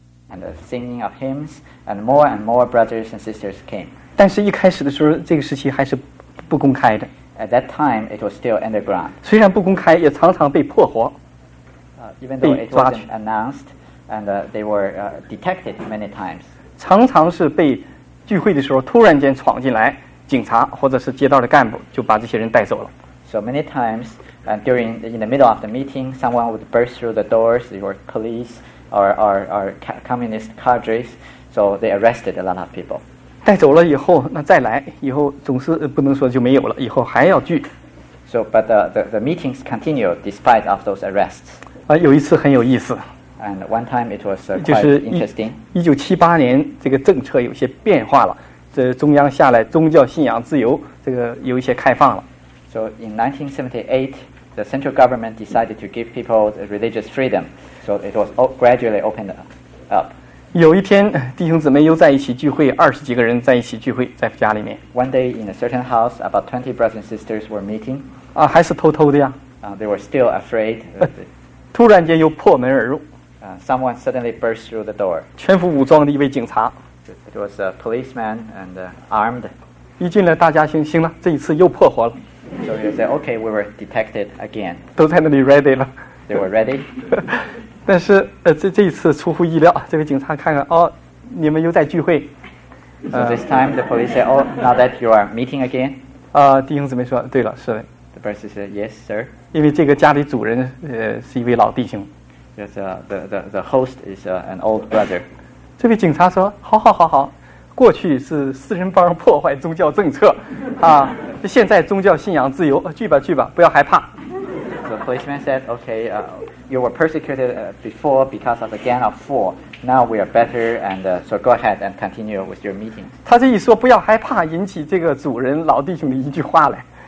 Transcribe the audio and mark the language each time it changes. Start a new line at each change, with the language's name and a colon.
English: and the singing of hymns, and more brothers and sisters came.
Chinese: 但是一开始的时候，这个时期还是不公开的。
English: At that time, it was still underground.
Chinese: 虽然不公开，也常常被破获。
English: Even though it wasn't announced, and they were detected many times.
Chinese: 常常是被聚会的时候突然间闯进来，警察或者是街道的干部就把这些人带走了。
English: So many times, and during in the middle of the meeting, someone would burst through the doors. They were police or communist cadres. So they arrested a lot of people.
Chinese: 带走了以后，那再来以后总是不能说就没有了，以后还要聚。
English: So, but the meetings continued despite of those arrests.
Chinese: 啊，有一次很有意思。
English: And one time it was quite interesting.
Chinese: 就是1978年，这个政策有些变化了。这中央下来，宗教信仰自由这个有一些开放了。
English: So in 1978, the central government decided to give people the religious freedom. So it was gradually opened up.
Chinese: 有一天，弟兄姊妹又在一起聚会，20几个人在一起聚会，在家里面。
English: One day in a certain house, about 20 brothers and sisters were meeting.
Chinese: 啊，还是偷偷的呀。
English: They were still afraid.
Chinese: 突然间又破门而入。
English: Someone suddenly burst through the door.
Chinese: 全副武装的一位警察。
English: It was a policeman and armed.
Chinese: 一进来，大家行了，这一次又破获了。
English: So you say, okay, we were detected again.
Chinese: 都在那里
English: ready
Chinese: 了。
English: They were ready.
Chinese: 但是这一次出乎意料，这位警察看看，哦，你们又在聚会。
English: So this time the police said, oh, now that you are meeting again.
Chinese: 弟兄姊妹说，对了，是的。
English: The person said, yes, sir.
Chinese: 因为这个家里主人是一位老弟兄。
English: Yes, the host is an old brother.
Chinese: 这位警察说，好好好好。过去是四人帮破坏宗教政策，啊！现在宗教信仰自由，去吧去吧，不要害怕。
English: The policeman said, "Okay, you were persecuted before because of the Gang of Four. Now we are better, and so go ahead and continue with your meeting."
Chinese: 他这一说不要害怕，引起这个主人老弟兄的一句话来。